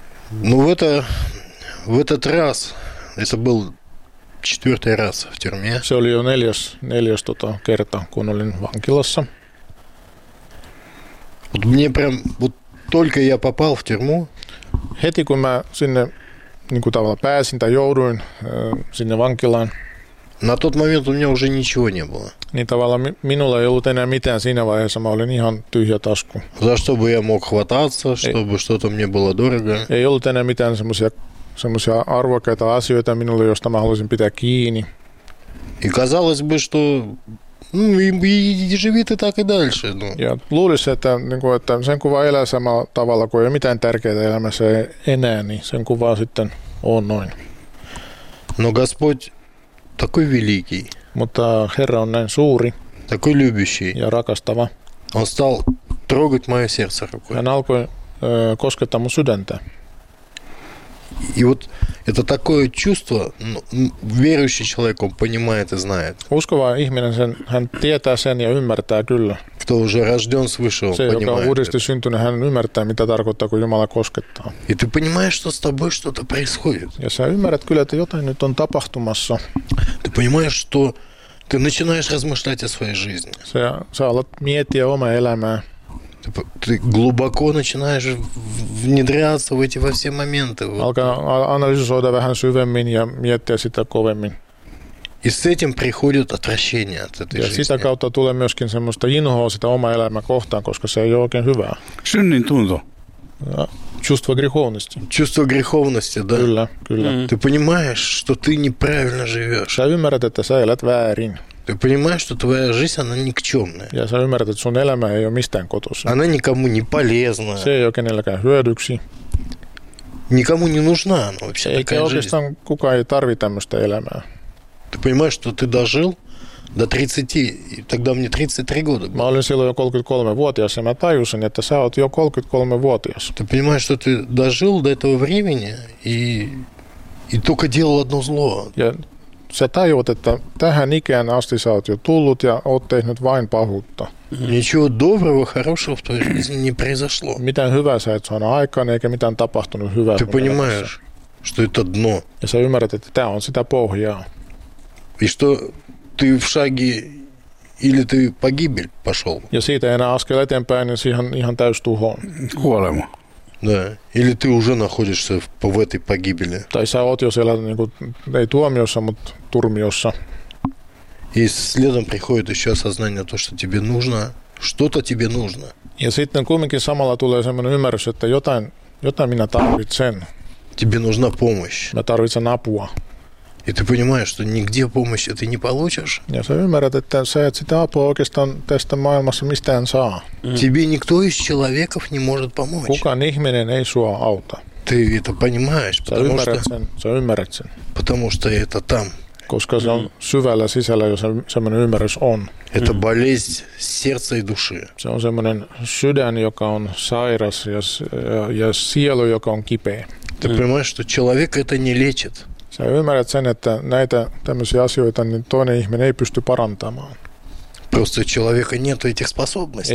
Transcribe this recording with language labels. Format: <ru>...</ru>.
<ru>Ну, в этот раз, это был четвертый раз в тюрьме.</ru> <fi>Se oli jo neljäs kerta, kun olin vankilassa.</fi> <ru>Вот мне прям, вот только я попал в тюрьму.</ru> <fi>Heti kun mä sinne niin kuin tavallaan pääsin tai jouduin sinne vankilaan.</fi> <ru>На тот момент у меня уже ничего не было.</ru> <fi>Niin tavallaan minulla ei ollut enää mitään siinä vaiheessa, mä olin ihan tyhjä tasku.</fi> <ru>За что бы я мог хвататься, чтобы что-то мне было дорого.</ru> <fi>Ei ollut enää mitään semmoisia arvokkaita asioita minulle, joista mä haluaisin pitää kiinni.</fi> <ru>И казалось бы, что и живи ты так и дальше.</ru> <fi>Ja luulisi, että sen kun vaan elää samalla tavalla, kun ei ole mitään tärkeää elämässä enää, niin sen kun vaan sitten on noin.</fi> <ru>No Господь такой великий.</ru> <fi>Mutta Herra on näin suuri.</fi> <ru>Такой любящий.</ru> <fi>Ja rakastava.</fi> <ru>Он стал трогать мое сердце рукой.</ru> <fi>Hän alkoi koskettaa mun sydäntä.</fi> <ru>И вот это такое чувство, верующий человек, он понимает и знает.</ru> <fi>Uskova ihminen, hän tietää sen ja ymmärtää kyllä.</fi> <ru>Кто уже рожден свыше, он понимает.</ru> <fi>Se, joka on uudesti syntynyt, hän ymmärtää, mitä tarkoittaa, kun Jumala koskettaa.</fi> <ru>И ты понимаешь, что с тобой что-то происходит.</ru> <fi>Ja sä ymmärrät kyllä, että jotain nyt on tapahtumassa.</fi> <ru>Ты понимаешь, что ты начинаешь размышлять о своей жизни.</ru> <fi>Sä alat miettiä omaa elämää.</fi> <ru>Ты глубоко начинаешь внедряться в эти во все моменты. Анализировать</ru> <fi>вähän syvemmin ja miettiä sitä kovemmin.</fi> <ru>И с этим приходит отвращение от этой жизни.</ru> <fi>Sitä kautta tulee myöskin semmoista inhoa sitä omaa elämää kohtaan, koska se ei ole oikein hyvää. Synnin tunto.</fi> <ru>Чувство греховности. Чувство греховности, да?</ru> <fi>Kyllä, kyllä.</fi> <ru>Ты понимаешь, что ты неправильно живешь.</ru> <fi>Sä ymmärrät, että sä elät väärin.</fi> <ru>Ты понимаешь, что твоя жизнь, она никчемная.</ru> <fi>Ja sä ymmärrät, että sun elämä ei ole mistään kotossa.</fi> <ru>Она никому не полезна.</ru> <fi>Se ei ole kenelläkään hyödyksi.</fi> <ru>Никому не нужна она вообще,</ru> <fi>eikä</fi> <ru>такая жизнь.</ru> <fi>Eikä oikeastaan kukaan ei tarvi tämmöistä elämää.</fi> <ru>Ты понимаешь, что ты дожил до 30, и тогда мне 33 года было.</ru> <fi>Mä olin silloin jo 33-vuotias, ja mä tajusin, että sä oot jo 33-vuotias.</fi> <ru>Ты понимаешь, что ты дожил до этого времени, и только делал одно зло.</ru> <fi>Sä tajuat, että tähän ikään asti sä oot jo tullut ja oot tehnyt vain pahuutta.</fi> <ru>Ничего доброго, хорошего в твоей жизни не произошло.</ru> <fi>Mitään hyvää sä et saanut aikaan, eikä mitään tapahtunut hyvää.</fi> <ru>Ты понимаешь, что это дно.</ru> <fi>Ja sä ymmärrät, että tää on sitä pohjaa.</fi> <ru>И что ты в шаге или ты погибель пошел.</ru> <fi>Ja siitä enää askel eteenpäin, niin siihen ihan täystuhoon. Kuolema.</fi> <ru>Да, или ты уже находишься в этой погибели.</ru> <fi>Tai sä oot jo siellä, niin kuin, ei tuomiossa, mutta turmiossa.</fi> <ru>И следом приходит еще осознание то, что тебе нужно, что-то тебе нужно.</ru> <fi>Ja sitten kumminkin samalla tulee semmoinen ymmärrys, että jotain minä tarvitsen.</fi> <ru>Тебе нужна помощь.</ru> <fi>Mä tarvitsen apua.</fi> <ru>И ты понимаешь, что нигде помощи ты не получишь. Нет, я понимаю, что ты не можешь помочь, что ты не можешь помочь. Тебе никто из человеков не может помочь.</ru> <fi>Кукан ихменен ей суа аута.</fi> <ru>Ты это понимаешь, потому что...</ru> <fi>Sä ymmärrät sen.</fi> <ru>Потому что это там.</ru> <fi>Koska se on syvällä sisällä, jos semmoinen ymmärrys on.</fi> <ru>Это болезнь сердца и души.</ru> <fi>Se on semmoinen sydän, joka on sairas ja sielu, joka on kipeä.</fi> <ru>Ты понимаешь, что человек это не лечит.</ru> <fi>Sä ymmärrät sen, että näitä tämmöisiä asioita niin toinen ihminen ei pysty parantamaan.</fi> <ru>Просто человека нету этих способностей.</ru>